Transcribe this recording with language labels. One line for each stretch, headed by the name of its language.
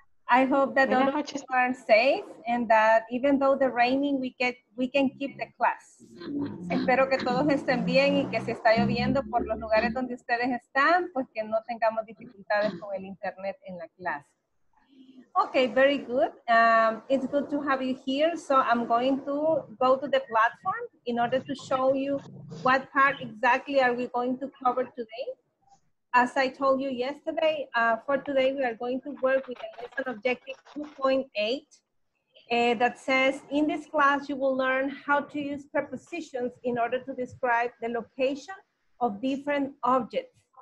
English: I hope that all of you are safe and that even though the raining, we can keep the class.
Spanish: Espero que todos estén bien y que si está lloviendo por los lugares donde ustedes están, pues que no tengamos dificultades con el internet en la clase.
English: Okay, very good. It's good to have you here. So I'm going to go to the platform in order to show you what part exactly are we going to cover today. As I told you yesterday, for today we are going to work with a lesson objective 2.8 that says, in this class you will learn how to use prepositions in order to describe the location of different objects.